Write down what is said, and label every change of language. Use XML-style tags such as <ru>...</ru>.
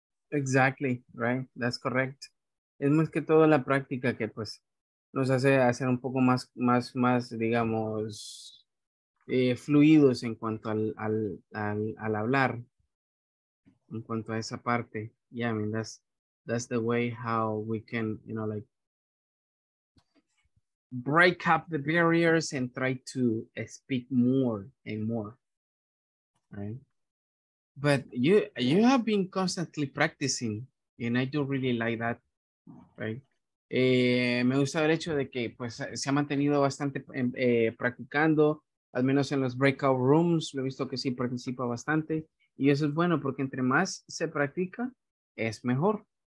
<en>Exactly, right, that's correct.</en> <es>Es más que todo la práctica que pues nos hace hacer un poco más digamos, fluidos en cuanto al hablar, en cuanto a esa parte.</es> <en>Yeah, I mean, that's the way how we can, break up the barriers and try to speak more and more, right? But you have been constantly practicing, and I do really like that, right?</en> <es>Me gusta el hecho de que pues se ha mantenido bastante practicando, al menos en los breakout rooms, lo he visto que sí participa bastante, y eso es bueno porque entre más se practica es mejor.</es>